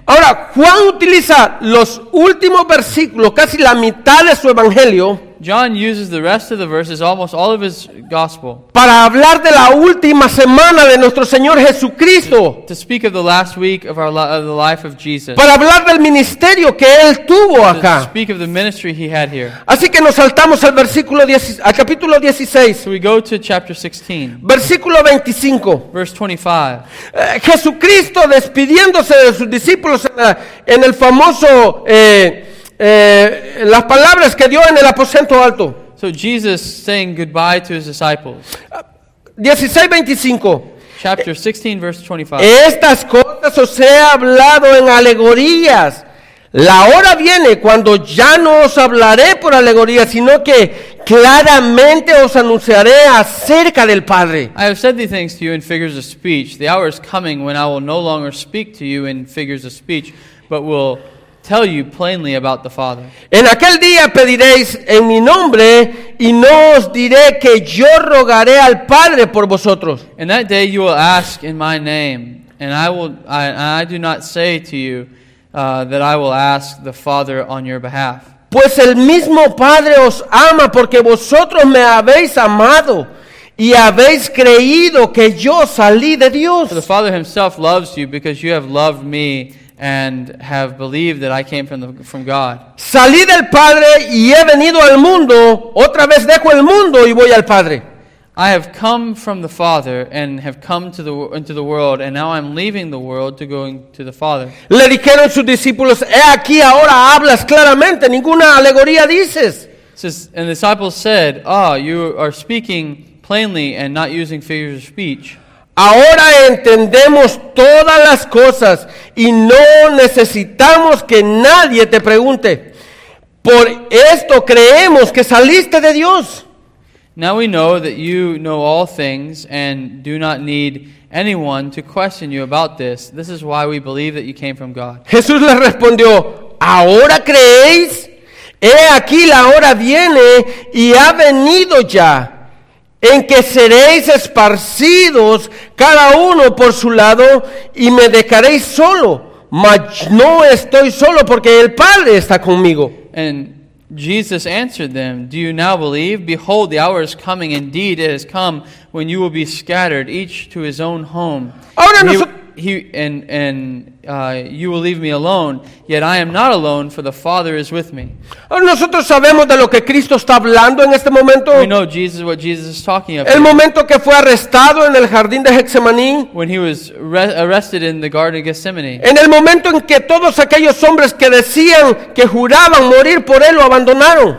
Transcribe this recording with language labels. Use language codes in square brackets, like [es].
[es] Ahora, Juan utiliza los últimos versículos, casi la mitad de su evangelio. [en] John uses the rest of the verses, almost all of his gospel. [es] Para hablar de la última semana de nuestro Señor Jesucristo. [en] To speak of the last week of the life of Jesus. [es] Para hablar del ministerio que él tuvo acá. [en] To speak of the ministry he had here. [es] Así que nos saltamos al versículo 10, al capítulo 16. [en] So we go to chapter 16. [es] Versículo 25. [en] Verse 25. [es] Jesucristo despidiéndose de sus discípulos en el famoso las palabras que dio en el aposento alto. [en] So Jesus saying goodbye to his disciples. [es] 16:25. [en] Chapter 16, verse 25. [es] Estas cosas os he hablado en alegorías. La hora viene cuando ya no os hablaré por alegorías, sino que claramente os anunciaré acerca del Padre. [en] I have said these things to you in figures of speech. The hour is coming when I will no longer speak to you in figures of speech, but will tell you plainly about the Father. [es] En aquel día pediréis en mi nombre y no os diré que yo rogaré al Padre por vosotros. [en] In that day you will ask in my name, and I do not say to you that I will ask the Father on your behalf. [es] Pues el mismo Padre os ama porque vosotros me habéis amado y habéis creído que yo salí de Dios. [en] For the Father himself loves you because you have loved me and have believed that I came from God. [es] Salí del Padre y he venido al mundo. Otra vez dejo el mundo y voy al Padre. [en] I have come from the Father and have come into the world, and now I'm leaving the world to go to the Father. [es] Le dijeron sus discípulos, he aquí ahora hablas claramente, ninguna alegoría dices. [en] And the disciples said, ah, oh, you are speaking plainly and not using figures of speech. [es] Ahora entendemos todas las cosas y no necesitamos que nadie te pregunte. Por esto creemos que saliste de Dios. [en] Now we know that you know all things and do not need anyone to question you about this. This is why we believe that you came from God. [es] Jesús les respondió, ¿ahora creéis? He aquí la hora viene y ha venido ya, en que seréis esparcidos cada uno por su lado y me dejaréis solo, mas no estoy solo porque el Padre está conmigo. [en] And Jesus answered them, do you now believe? Behold, the hour is coming, indeed it has come, when you will be scattered, each to his own home. [es] Ahora [en] you will leave me alone, yet I am not alone, for the Father is with me. [es] Nosotros sabemos de lo que Cristo está hablando en este momento. [en] We know Jesus, what Jesus is talking about. [es] El momento que fue arrestado en el jardín de Getsemaní. [en] When he was arrested in the Garden of Gethsemane. [es] En el momento en que todos aquellos hombres que decían, que juraban morir por él, lo abandonaron.